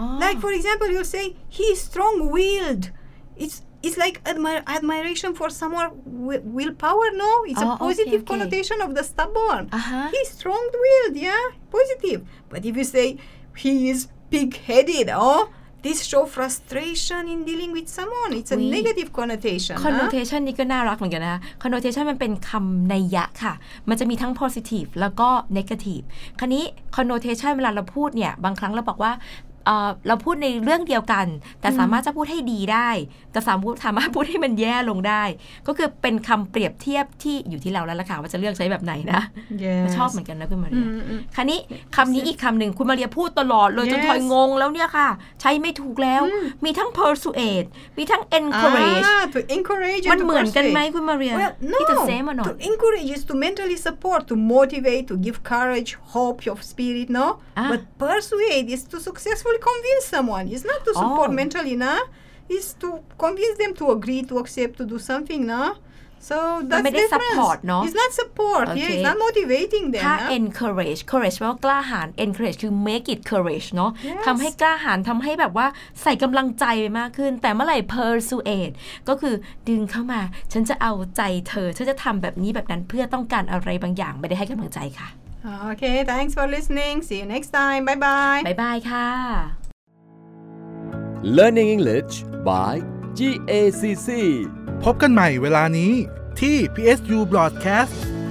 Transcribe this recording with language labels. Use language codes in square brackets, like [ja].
[en] Like, for example, you'll say, he's strong-willed. It's like admiration for someone with willpower, no? It's a positive connotation of the stubborn. Uh-huh. He's strong-willed, yeah? Positive. But if you say, he is big-headed, oh? This show frustration in dealing with someone. It's a negative connotation. [th] Connotation นี่ก็น่ารักเหมือนกันนะ Connotation มันเป็นคำนัยยะค่ะมันจะมีทั้ง positive แล้วก็ negative. คราวนี้ connotation เวลาเราพูดเนี่ยบางครั้งเราบอกว่าเราพูดในเรื่องเดียวกันแต่สามารถจะพูดให้ดีได้แต่สามารถพูดให้มันแย่ลงได้ก็คือเป็นคำเปรียบเทียบที่อยู่ที่เราแล้วล่ะค่ะว่าจะเลือกใช้แบบไหนนะ [en] yes. [th] ชอบเหมือนกันนะคุณมาเรีย คราวนี้คำนี้อีกคำหนึ่งคุณมาเรียพูดตลอดเลย [en] yes. [th] จนทอยงงแล้วเนี่ยค่ะใช้ไม่ถูกแล้ว มีทั้ง persuade มีทั้ง encourage มัน เหมือนกันไหมคุณมาเรียที่ จะ เ ซม า หน่อย [en] to encourage is to mentally support to motivate to give courage hope of spirit no but persuade is to successfullyconvince someone. It's not to support mentally, nah. It's to convince them to agree, to accept, to do something, nah. So that's the difference. Support, no? It's not support, okay. yeah. It's not motivating them, nah. Encourage. Courage means [th] กล้าหาญ [en] Encourage [th] คือ [en] make it courage, no? Yes. [th] ทำให้กล้าหาญทำให้แบบว่าใส่กำลังใจไปมากขึ้นแต่เมื่อไหร่ persuade ก็คือดึงเข้ามาฉันจะเอาใจเธอฉันจะทำแบบนี้แบบนั้นเพื่อต้องการอะไรบางอย่างไม่ได้ให้กำลังใจค่ะ [en] Okay, thanks for listening. See you next time. Bye-bye. Bye-bye, [th] ค่ะ [en] Learning English by GACC. [th] พบกันใหม่เวลานี้ที่ PSU Broadcast.